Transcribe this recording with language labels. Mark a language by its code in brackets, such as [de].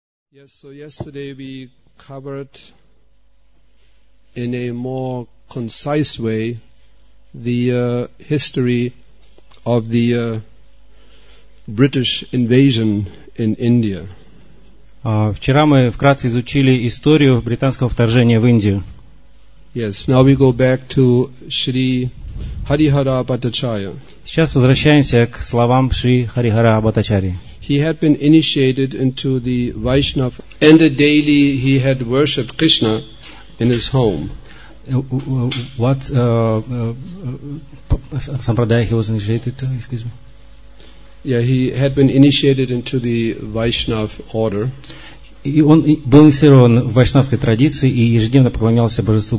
[en] Yes, so yesterday we covered in a more concise way the history of the British invasion in India. [ru] Вчера мы вкратце изучили историю британского вторжения в Индию. [en] Yes, now we go back to Shri Harihara Bhattacharya. [ru] Сейчас возвращаемся к словам Шри Харихара Бхаттачарьи. [en] He had been initiated into the Vaishnava and daily he had worshipped Krishna in his home. What Sampradaya he was initiated to, excuse me? Yeah, he had been initiated into the Vaishnava order. [ru] И он был инициирован в вайшнавской традиции и ежедневно поклонялся Божеству